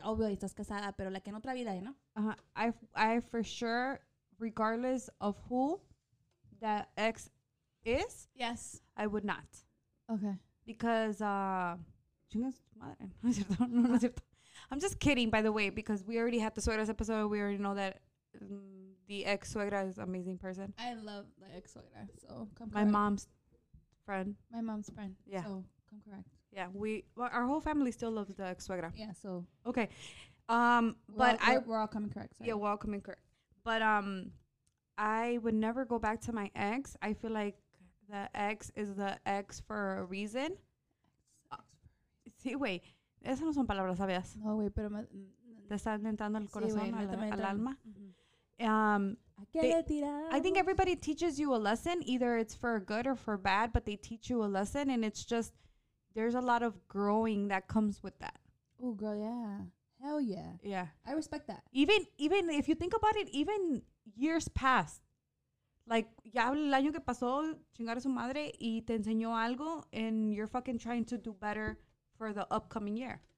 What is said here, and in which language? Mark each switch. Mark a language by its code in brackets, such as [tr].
[en] Obviously, [es] estás casada, pero la que en otra vida, ¿no? [en] I for sure, regardless of who that ex is. Yes. I would not. Okay. [es] Because chingas tu madre. No es cierto. No, no es cierto. [en] I'm just kidding, by the way, because we already had the suegras episode. We already know that the ex suegra is an amazing person. I love the ex suegra. So come correct. My mom's friend. Yeah. So come correct. Yeah, our whole family still loves the ex suegra. Yeah, so. Okay. We're all coming correct. Sorry. Yeah, we're all coming correct. But I would never go back to my ex. I feel like the ex is the ex for a reason. [es] Sí, güey. Esas no son palabras sabias. No, güey, pero. Te están entrando el corazón, sí, wey, al alma. [en] I think everybody teaches you a lesson. Either it's for good or for bad, but they teach you a lesson, and it's just. There's a lot of growing that comes with that. Oh, girl, yeah. Hell yeah. Yeah. I respect that. Even if you think about it, even years past, like, [es] ya el año que pasó, chingar a su madre y te enseñó algo, [en] and you're fucking trying to do better for the upcoming year.